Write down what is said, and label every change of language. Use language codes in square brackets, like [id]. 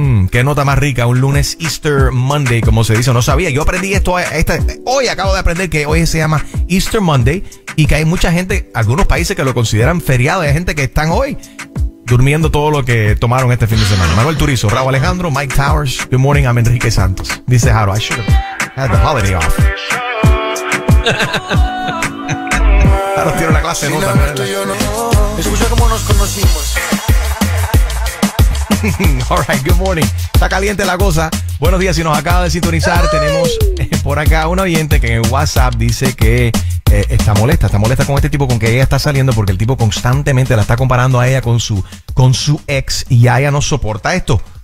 [es] Qué nota más rica. Un lunes Easter Monday, como se dice. No sabía. Yo aprendí esto hoy acabo de aprender que hoy se llama Easter Monday. Y que hay mucha gente, algunos países que lo consideran feriado. Hay gente que están hoy durmiendo todo lo que tomaron este fin de semana. [en] Manuel Turizo, Raúl Alejandro, Mike Towers. Good morning, I'm Enrique Santos. [es] Dice [en] Jaro, I should have had the holiday off. [es] Jaro tiene una clase nota. Sin haberte yo no, escucha cómo nos conocimos. [en] All right, good morning. [es] Está caliente la cosa. Buenos días, si nos acaba de sintonizar, tenemos por acá un oyente que en WhatsApp dice que está molesta con este tipo con que ella está saliendo porque el tipo constantemente la está comparando a ella con su ex y ya ella no soporta esto.